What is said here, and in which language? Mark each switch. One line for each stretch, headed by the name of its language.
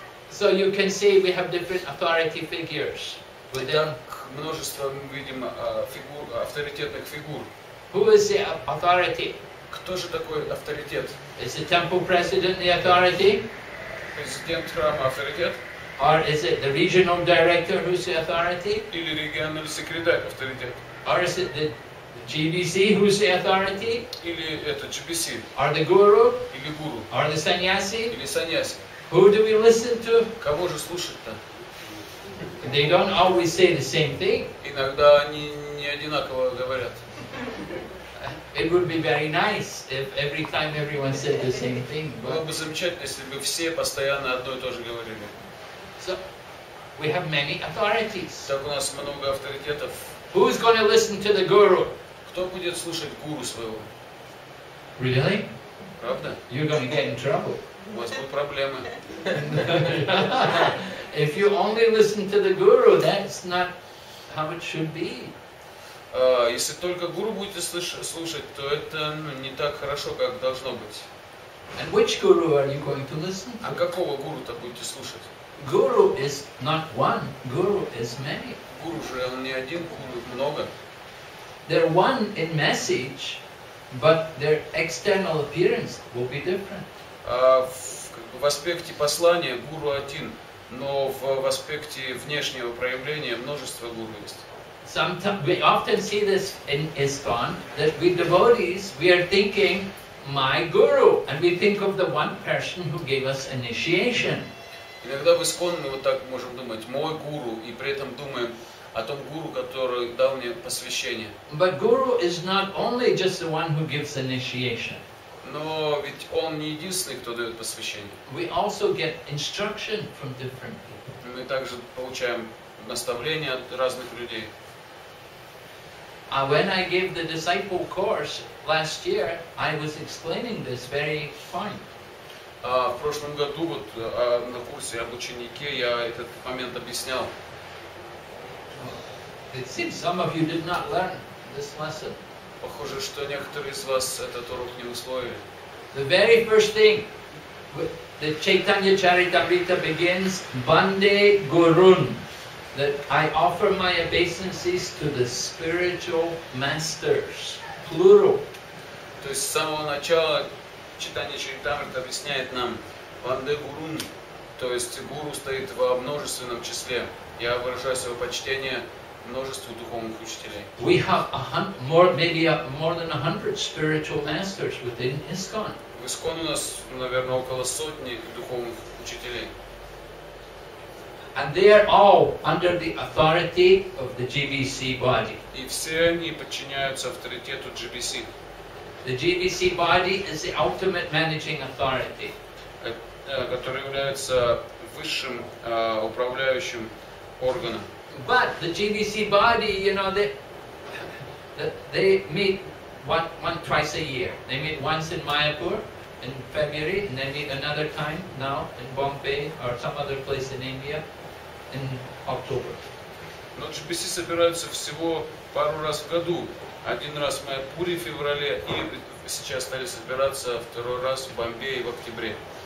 English: So you can see we have different authority figures.
Russian: Итак, множество мы видим фигур, авторитетных фигур.
English: Who is the authority?
Russian: Кто же такой авторитет?
English: Is the temple president the authority?
Russian: Президент храма авторитет?
English: Or is it the regional director who's the authority?
Russian: Или региональный секретарь авторитет?
English: Or is it the GBC who's the authority?
Russian: Или это GBC?
English: Or the guru?
Russian: Или гуру?
English: Or the sannyasi?
Russian: Или sannyasi?
English: Who do we listen to?
Russian: Кого же слушать-то?
English: They don't always say the same thing.
Russian: Иногда они не одинаково говорят.
English: It would be very nice if every time everyone said the same thing.
Russian: Было бы замечательно, если бы все постоянно одно и то же говорили.
English: So we have many authorities.
Russian: Так у нас много авторитетов.
English: Who is going to listen to the guru?
Russian: Кто будет слушать гуру своего?
English: Really?
Russian: Правда?
English: You're going to get in trouble.
Russian: У вас будут проблемы.
English: If you only listen to the guru, that's not how it should be.
Russian: Если только гуру будете слушать, то это не так хорошо, как должно быть.
English: And which guru are you going to listen to?
Russian: А какого гуру-то будете слушать?
English: Guru is not one, guru is many.
Russian: Guru же он не один, гуру много.
English: They're one in message, but their external appearance will be different.
Russian: В аспекте послания гуру один, но в аспекте внешнего проявления множество гуру есть.
English: Sometimes we often see this in ISKCON, that we devotees, we are thinking, my guru, and we think of the one person who gave us initiation.
Russian: Иногда в ИСКОН мы вот так можем думать, мой гуру, и при этом думаем о том гуру, который дал мне посвящение.
English: But guru is not only just the one who gives initiation.
Russian: Но ведь он не единственный, кто дает посвящение.
English: We also get instruction from different people.
Russian: Мы также получаем наставления от разных людей.
English: When I gave the disciple course last year, I was explaining this very fine.
Russian: В прошлом году вот на курсе об ученике я этот момент объяснял.
English: It seems some of you did not learn this lesson.
Russian: Похоже, что некоторые из вас этот урок не усвоили.
English: The very first thing the Chaitanya Charitamrita begins, Bande Gurun, that I offer my obeisances to the spiritual masters, plural.
Russian: То есть с самого начала Читание Чаритамрита объясняет нам Ванде Гурун, то есть гуру стоит во множественном числе. Я выражаю свое почтение множеству духовных учителей.
English: We have more than 100 spiritual masters within ISKCON.
Russian: В Искон у нас, наверное, около сотни духовных учителей.
English: And they are all under the authority of the GBC body.
Russian: И все они подчиняются авторитету GBC.
English: The GBC body is the ultimate managing authority,
Russian: который является высшим управляющим органом.
English: But the GBC body, you know, they meet one twice a year. They meet once in Mayapur in February, and they meet another time now in Bombay or some other place in India in October.
Russian: Но GBC собираются всего пару раз в году. Один раз в Майпуре в феврале, и сейчас стали собираться второй раз в Бомбее в октябре.